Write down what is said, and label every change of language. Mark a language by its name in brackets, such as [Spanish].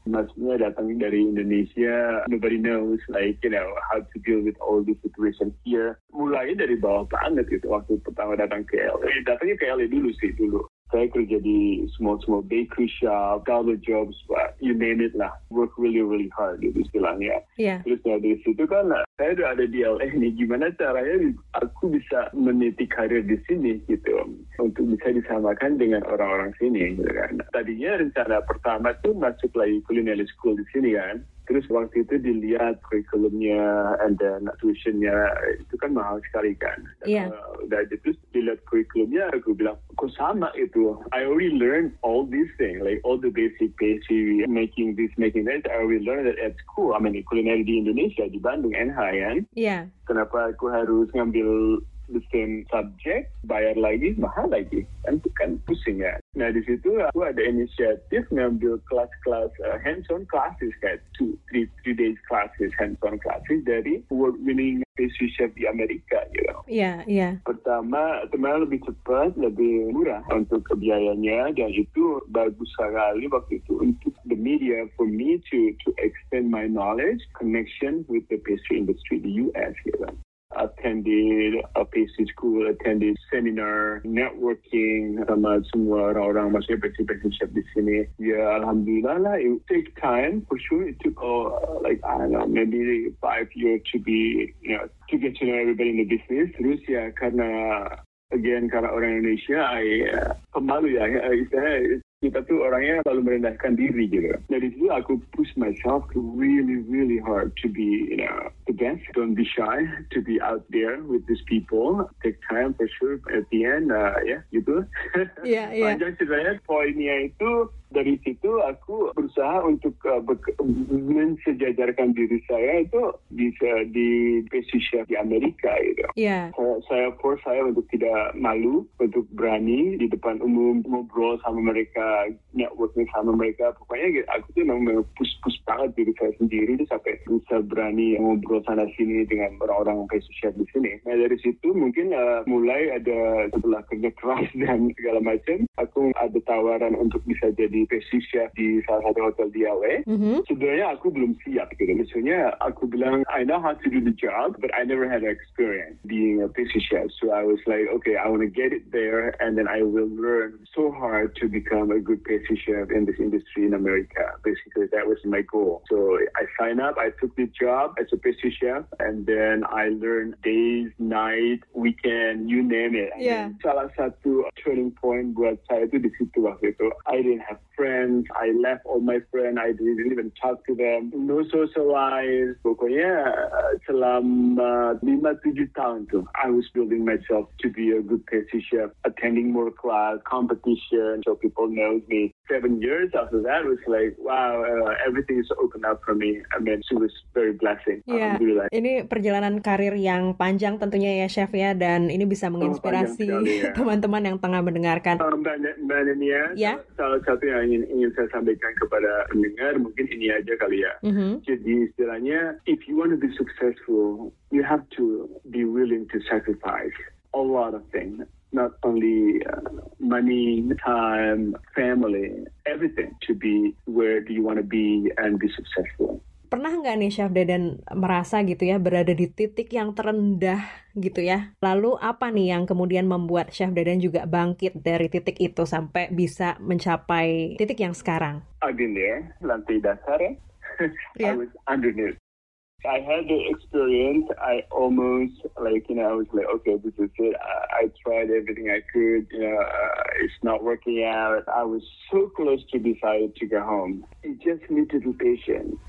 [Indonesian] Maksudnya datang dari Indonesia, [English] nobody knows like you know how to deal with all the situation here. [Indonesian] Mulai dari bawah banget gitu waktu pertama datang ke LA. Datangnya ke LA dulu sih dulu. Saya kerja di [English] small-small bakery shop, garment jobs, you name it [Indonesian] lah. [English] Work really, really hard, gitu istilahnya. Yeah. [Indonesian] Terus ya, dari situ kan, saya udah ada di LA nih. Gimana caranya aku bisa meniti karir di sini, gitu. Untuk bisa disamakan dengan orang-orang sini, gitu kan. Tadinya rencana pertama tuh masuk lagi culinary school di sini, kan. Terus waktu itu dilihat curriculumnya [English] and then [Indonesian] tuition-nya, itu kan mahal sekali kan. Yeah. Dan terus dilihat curriculumnya, aku bilang, kok sama itu? [English] I already learned all these things, like all the basic pastry, making this, making that. I already learned it at school. I mean, [Indonesian] culinary di Indonesia, di Bandung, NH, kan? Yeah. Kenapa aku harus ngambil [English] the same subject, [Indonesian] bayar lagi, mahal lagi. Dan itu kan pusing ya. Nah, di situ aku ada inisiatif ngambil kelas-kelas, hands-on classes, kayak 2-3 days classes, hands-on classes dari award-winning pastry chef di Amerika, [English] you know. Iya. [Indonesian] Pertama, teman-teman lebih cepat, lebih murah untuk kebiayanya, dan itu bagus sekali waktu itu untuk [English] the media for me to extend my knowledge, connection with the pastry industry, the US, you know. Attended a pastry school, attended seminar, networking [Indonesian] sama semua orang-orang maksudnya [English] pastry chef di sini. [Indonesian] Ya, alhamdulillah lah, [English] it take time for sure. It took like, I don't know, maybe 5 years to be, you know, to get to know everybody in the business. [Indonesian] Terus ya, karena, again, karena orang Indonesia, I pemalu ya, kita tuh orangnya selalu merendahkan diri gitu. Dari situ aku [English] push myself really, really hard to be, you know, the best. Don't be shy to be out there with these people. Take time for sure. At the end, gitu. Yeah. [Indonesian] Panjang ceritanya, poinnya itu, dari situ aku berusaha untuk mensejajarkan diri saya itu bisa di pastry chef di Amerika gitu. Yeah. Saya force saya untuk tidak malu, untuk berani di depan umum, ngobrol sama mereka, networking sama mereka. Pokoknya gitu, aku tuh memang push banget diri saya sendiri tuh sampai bisa berani ngobrol sana-sini dengan orang-orang pastry chef di sini. Nah, dari situ mungkin mulai ada setelah kerja keras dan segala macam, aku ada tawaran untuk bisa jadi pastry chef di salah satu hotel di LA. Mm-hmm. Sebenarnya aku belum siap gitu. Maksudnya aku bilang, [English] I know how to do the job, but I never had experience being a pastry chef. So I was like, okay, I want to get it there and then I will learn so hard to become a good pastry chef in this industry in America. Basically, that was my goal. So I signed up, I took the job as a pastry chef and then I learned days, night, weekend, you name it. Yeah. [Indonesian] Salah satu turning point buat saya itu di situ waktu itu. [English] I didn't have friends. I left all my friends. I didn't even talk to them. No socialize. [Indonesian] Pokoknya selama 5-7 tahun tuh, [English] I was building myself to be a good pastry chef, attending more class, competition, so people know me. 7 years after that was like, wow, everything is open up for me. I mean, it was very blessing. Yeah. [Indonesian] Ini perjalanan karir yang panjang tentunya ya, Chef ya, dan ini bisa menginspirasi teman-teman yang tengah mendengarkan. Mbak Nenia, salah satu yang ingin saya sampaikan kepada pendengar mungkin ini aja kali ya. Mm-hmm. Jadi istilahnya, [English] if you want to be successful, you have to be willing to sacrifice a lot of things, not only money, time, family, everything to be where do you want to be and be successful. [Indonesian] Pernah nggak nih Chef Deden merasa gitu ya berada di titik yang terendah gitu ya? Lalu apa nih yang kemudian membuat Chef Deden juga bangkit dari titik itu sampai bisa mencapai titik yang sekarang? [English] I've been there, [Indonesian] lantai dasar ya. Yeah. [English] I was underneath. I had the experience, I almost, like, you know, I was like, okay, this is it. I tried everything I could, you know, it's not working out. I was so close to decide to go home. You just need to be patient.